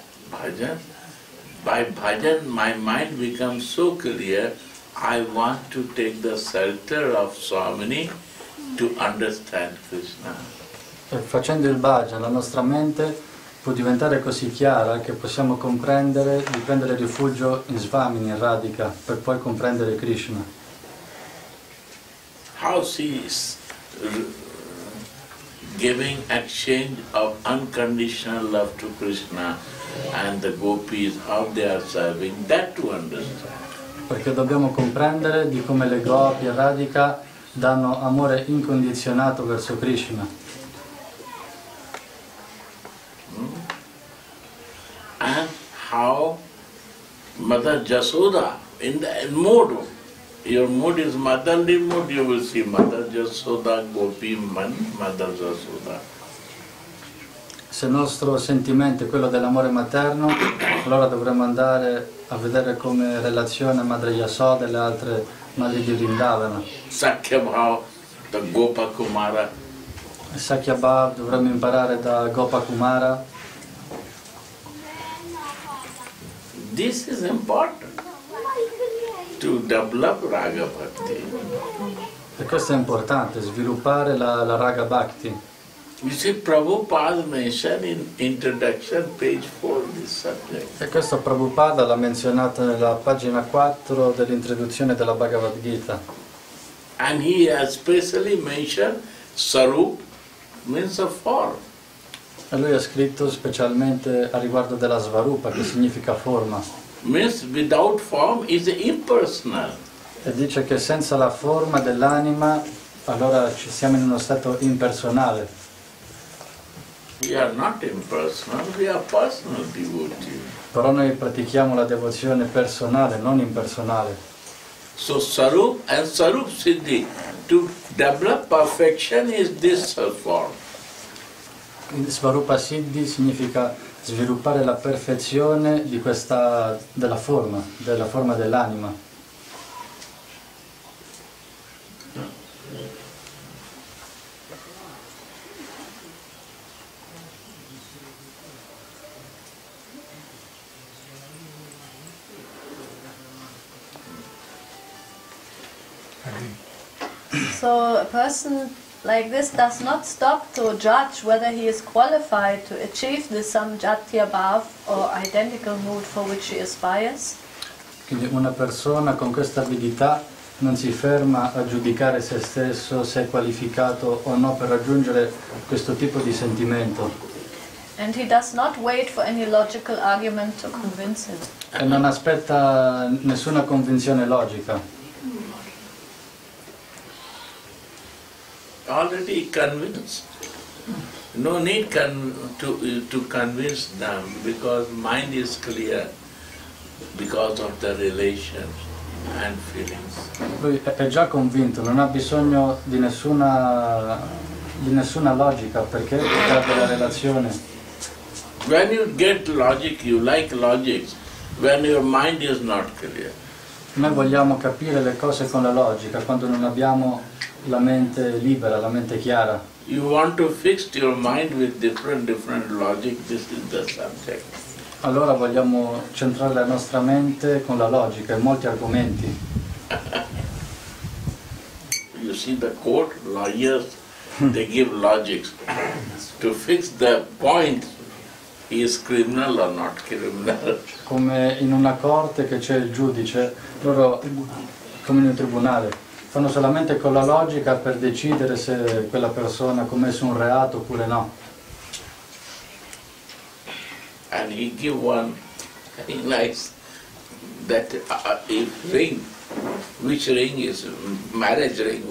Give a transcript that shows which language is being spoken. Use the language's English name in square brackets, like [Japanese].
[English] Bhajan, by bhajan my mind becomes so clear, I want to take the shelter of Swamini to understand Krishna. [Italian] Facendo il bhajan la nostra mente può diventare così chiara che possiamo comprendere di prendere rifugio in Swamini, in Radhika, per poi comprendere Krishna. [English] How she is giving exchange of unconditional love to Krishna and the gopis, how they are serving, that to understand. [Italian] Perché dobbiamo comprendere di come le gopi e Radhika danno amore incondizionato verso Krishna. [English] And how Mother Jasoda in the mood, your mood is motherly mood, you will see Mother Jasoda, Gopi, Mother Jasoda. [Italian] Se il nostro sentimento è quello dell'amore materno, allora dovremmo andare a vedere come relaziona Madre Jasoda e le altre madri di Vrindavana. [English] Sakyabhav, the Gopa Kumara. [Italian] Sakyabhav, dovremmo imparare da Gopa Kumara. [English] This is important to develop Raga Bhakti. [Italian] E questo è importante, sviluppare la Raga Bhakti. [English] You see, Prabhupada mentioned in introduction, page 4, this subject. [Italian] E questo Prabhupada l'ha menzionato nella pagina 4 dell'introduzione della Bhagavad Gita. [English] And he especially mentioned Sarup, means a form. [Italian] E lui ha scritto specialmente a riguardo della svarupa, che significa forma. [English] Means without form is impersonal. [Italian] E dice che senza la forma dell'anima, allora ci siamo in uno stato impersonale. [English] We are not impersonal, we are personal devotees. [Italian] Però noi pratichiamo la devozione personale, non impersonale. [English] So sarup and sarup siddhi, to develop perfection is this form. [Italian] Svarupa Siddhi significa sviluppare la perfezione di questa della forma dell'anima. [English] So a person like this does not stop to judge whether he is qualified to achieve the samjatiya bhav or identical mood for which he aspires. [Italian] Quindi una persona con questa abilità non si ferma a giudicare se stesso se è qualificato o no per raggiungere questo tipo di sentimento. [English] And he does not wait for any logical argument to convince him. [Italian] E non aspetta nessuna convinzione logica. [English] Already convinced. No need to convince them because mind is clear because of the relations and feelings. [Italian] Lui è già convinto, non ha bisogno di nessuna logica perché è già della relazione. [English] When you get logic, you like logics. When your mind is not clear. [Italian] Noi vogliamo capire le cose con la logica quando non abbiamo la mente libera, la mente chiara. [English] You want to fix your mind with different logic, this is the subject. [Italian] Allora vogliamo centrare la nostra mente con la logica e molti argomenti. [English] You see the court lawyers, they give logics to fix the point is criminal or not criminal. [Italian] Come in una corte che c'è il giudice, loro come in un tribunale fanno solamente con la logica per decidere se quella persona ha commesso un reato oppure no. [English] And he give one nice that ring, which ring is marriage ring?